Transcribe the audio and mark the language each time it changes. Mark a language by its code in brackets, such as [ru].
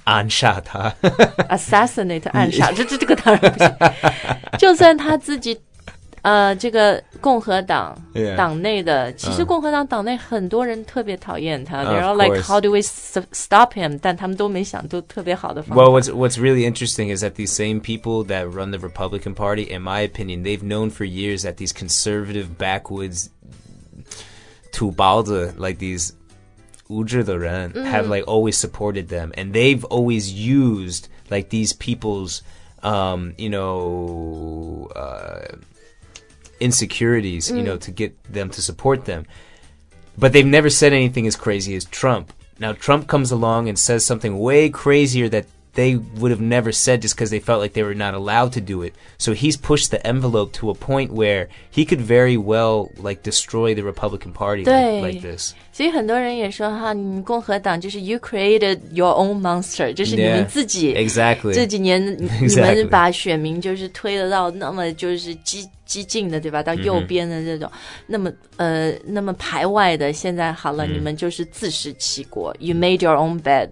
[zh] 暗杀他，assassinate 暗杀，这个当然不行。就算他自己。这个共和党 [en] yeah, [zh] 党内的，其实共和党党内很多人特别讨厌他。 [en] They're all like, how do we stop him? [zh] 但他们都没想到特别好的方法。 [en] Well, what's really interesting is that these same people that run the Republican Party, in my opinion, they've known for years that these conservative backwoods 土包子 like these [zh] 无知的人、 [en] mm-hmm. have like always supported them, and they've always used like these people's, you know. Insecurities, you know, to get them to support them. But they've never said anything as crazy as Trump. Now, Trump comes along and says something way crazier that they would have never said just because they felt like they were not allowed to do it. So he's pushed the envelope to a point where he could very well, like, destroy the Republican Party like this. [zh] 所以很多人也说哈，你共和党就是 [en] you created your own monster, [zh] 就是你们自己 [en] yeah, exactly. [zh] 这几年你们把选民就是推得到那么就是激进的对吧到右边的这种、mm-hmm. 那么排外的现在好了、mm-hmm. 你们就是自食其果 [en] you made your own bed